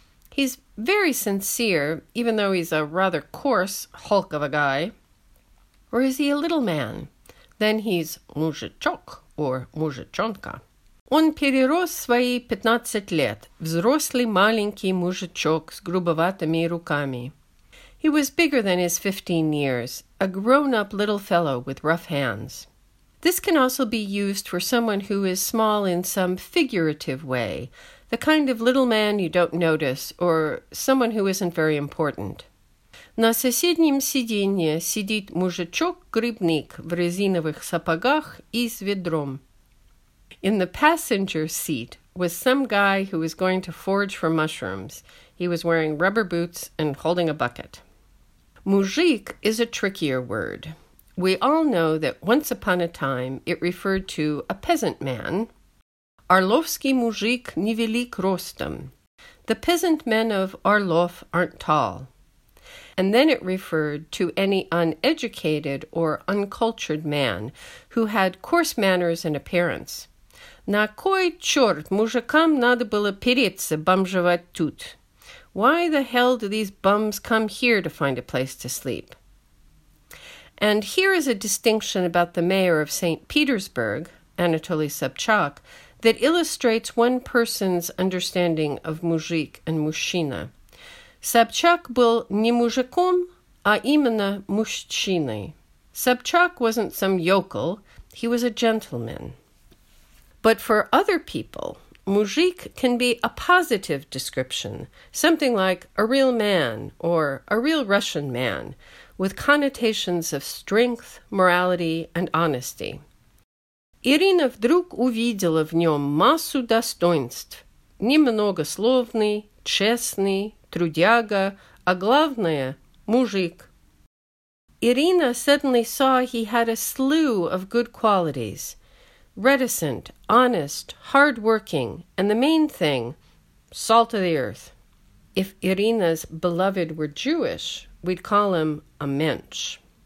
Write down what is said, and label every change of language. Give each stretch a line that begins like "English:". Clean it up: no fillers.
English: He's very sincere, even though he's a rather coarse hulk of a guy. Or is he a little man? Then he's мужичок or мужичонка.
Russian: Он перерос свои 15 лет, взрослый маленький мужичок с грубоватыми руками.
English: He was bigger than his 15 years, a grown-up little fellow with rough hands. This can also be used for someone who is small in some figurative way, the kind of little man you don't notice, or someone who isn't very important.
Russian: На соседнем сиденье сидит мужичок-грибник в резиновых сапогах и с ведром.
English: In the passenger seat was some guy who was going to forage for mushrooms. He was wearing rubber boots and holding a bucket. Мужик is a trickier word. We all know that once upon a time it referred to a peasant man.
Russian: Орловский мужик невелик ростом.
English: The peasant men of Орлов aren't tall. And then it referred to any uneducated or uncultured man who had coarse manners and appearance.
Russian: На кой черт мужикам надо было переться бомжевать тут?
English: Why the hell do these bums come here to find a place to sleep? And here is a distinction about the mayor of St. Petersburg, Anatoly Sobchak, that illustrates one person's understanding of mujik and mushchina.
Russian: Sobchak был не мужиком, а именно мужчиной.
English: Sobchak wasn't some yokel, he was a gentleman. But for other people, mujik can be a positive description, something like a real man or a real Russian man, with connotations of strength, morality, and honesty.
Russian: Ирина вдруг увидела в нем массу достоинств, немногословный, честный, трудяга, а главное – мужик.
English: Ирина suddenly saw he had a slew of good qualities – reticent, honest, hard-working, and the main thing, salt of the earth. If Irina's beloved were Jewish, we'd call him a mensch.